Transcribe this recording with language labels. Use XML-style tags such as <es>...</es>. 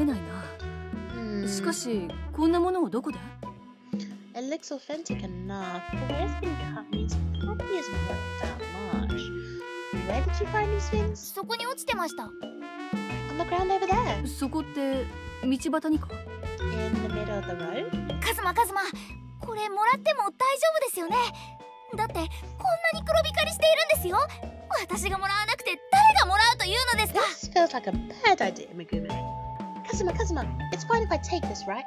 <ja>見たところ本物のようだが、カットの仕方も適当で価値があるとは思えないな。しかし、こんなものをどこで？</ja> <en>It looks authentic enough, but where it's been cut means it probably isn't worth that much. Where did you find these things?</en> <ja>そこに落ちてました。</ja> <en>On the ground over there.</en> <ja>そこって道端にか?</ja> <en>In the middle of the road?</en> <ja>Kazuma, Kazuma, これもらっても大丈夫ですよね。だってこんなに黒光りしているんですよ。私がもらわなくて誰がもらうというのですか?</ja> <en>This feels like a bad idea, Megumi. Kazuma, Kazuma, it's fine if I take this, right?</en>